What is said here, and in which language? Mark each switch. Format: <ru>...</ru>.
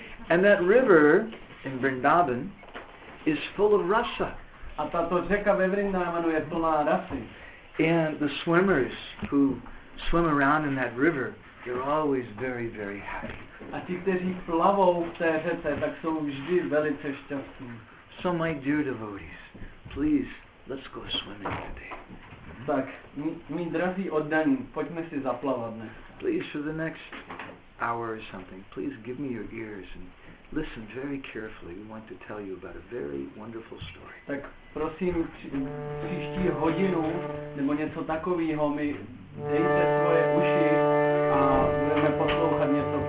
<en>And that river in Vrindavan is full of rasa.</en> <cs>A tato řeka ve Vrindavanu je plná rasy.</cs> <en>And the swimmers who swim around in that river, they're always very, very happy.</en> <cs>A ti, kteří plavou v té řece, tak jsou vždy velice šťastní.</cs> <en>So my dear devotees, please, let's go swimming today.</en> <cs>Tak, mý drazí oddaní, pojďme si zaplavat dnes.</cs> <en>Please, for the next hour or something, please give me your ears and listen very carefully. We want to tell you about a very wonderful story.</en> <cs>Tak prosím, příští hodinu, nebo něco takového, mi dejte svoje uši, a budeme poslouchat něco</cs>